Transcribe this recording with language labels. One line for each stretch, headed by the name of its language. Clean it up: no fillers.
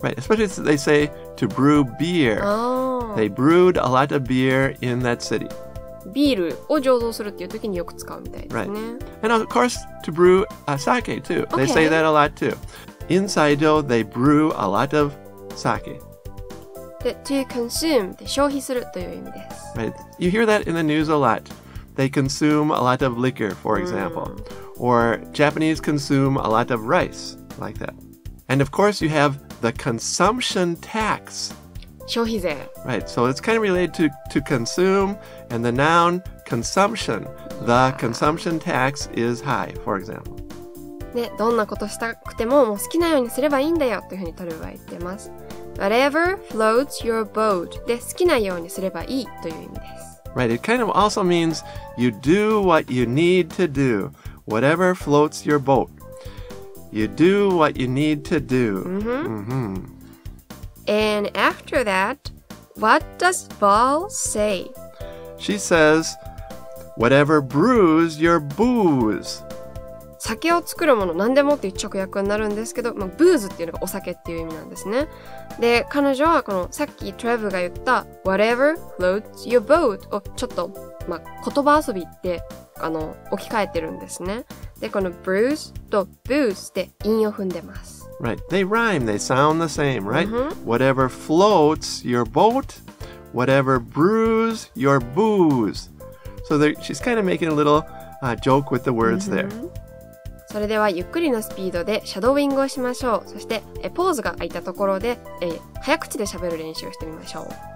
English: Right, especially they say to brew beer. They brewed a lot of beer in that city.
Japanese: ビールを醸造するっていう時によく使うみたいですね。
English: Right. And of course, to brew a sake too. They、 okay. say that a lot too. Inside though, they brew a lot of sake.
Japanese: で、
English: to consume
Japanese: で消費するという意味です。
English: Right. You hear that in the news a lot. They consume a lot of liquor, for example.、Mm. Or Japanese consume a lot of rice, like that. And of course, you have the consumption tax.
Japanese: 消費税。
English: Right, so it's kind of related to consume and the noun consumption. The consumption tax is high, for example.
Japanese: ね、どんなことしたくても、もう好きなようにすればいいんだよというふうにトレブは言ってます。
English: Whatever floats your boat.
Japanese: で、好きなようにすればいいという意味です。
English: Right, it kind of also means you do what you need to do. Whatever floats your boat. You do what you need to do. Mm-hmm. Mm-hmm. And after that, what does Val say? She says, whatever brews your booze.
Japanese: 酒を作るもの何でもっていう直訳になるんですけど、まあ、ブーズっていうのがお酒っていう意味なんですね。で、彼女はこのさっきトレブが言った
English: whatever floats your boat
Japanese: をちょっと、まあ、言葉遊びって置き換えてるんですね。で、この brews と booze で韻を踏んでます。
English: Right, they rhyme, they sound the same, right?、 Mm-hmm. Whatever floats your boat, whatever brews your booze. So she's kind of making a little、joke with the words、mm-hmm. there.
Japanese: それではゆっくりのスピードでシャドーウィングをしましょう。そしてポーズが空いたところで早口で喋る練習をしてみましょう。